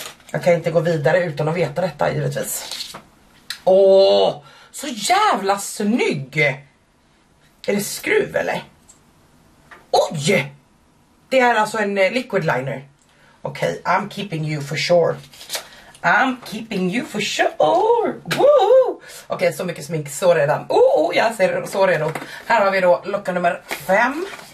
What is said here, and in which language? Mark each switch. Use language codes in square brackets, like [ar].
[sv] Jag kan inte gå vidare utan att veta detta, givetvis. Åh, så jävla snygg. Är det skruv eller? Oj! Det är alltså en liquid liner. [en] Okej, okay, I'm keeping you for sure. I'm keeping you for sure. Woo! [sv] Okej, okay, så mycket smink, så redan. Oh, jag ser så redo. Här har vi då lucka nummer 5.